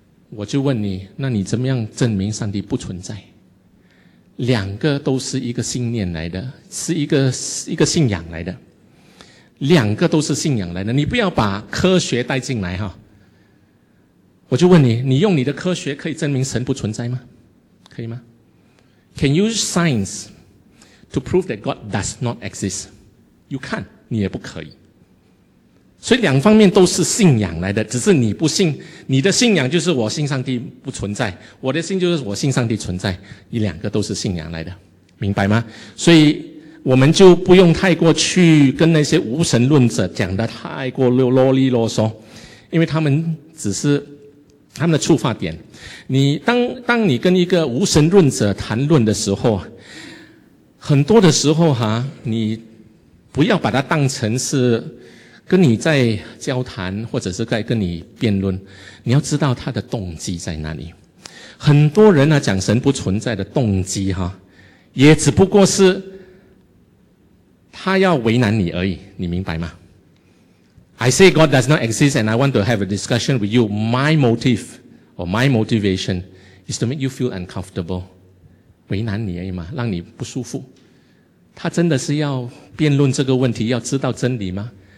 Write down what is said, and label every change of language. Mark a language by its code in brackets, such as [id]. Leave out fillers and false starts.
[zh] 我就问你，那你怎么样证明上帝不存在？两个都是一个信念来的，是一个信仰来的，两个都是信仰来的。你不要把科学带进来哈。我就问你，你用你的科学可以证明神不存在吗？可以吗 [en] ？Can you use science to prove that God does not exist? You can't， [zh] 你也不可以。所以两方面都是信仰来的，只是你不信，你的信仰就是我信上帝不存在，我的信就是我信上帝存在，你两个都是信仰来的，明白吗？所以我们就不用太过去跟那些无神论者讲得太过啰里啰嗦，因为他们只是他们的出发点。当你跟一个无神论者谈论的时候，很多的时候哈，你不要把它当成是跟你在交谈或者是在跟你辩论，你要知道他的动机在哪里。很多人呢讲神不存在的动机哈，也只不过是他要为难你而已，你明白吗？ [en] I say God does not exist and I want to have a discussion with you. My motive or my motivation is to make you feel uncomfortable. [zh] 为难你而已嘛，让你不舒服。他真的是要辩论这个问题，要知道真理吗？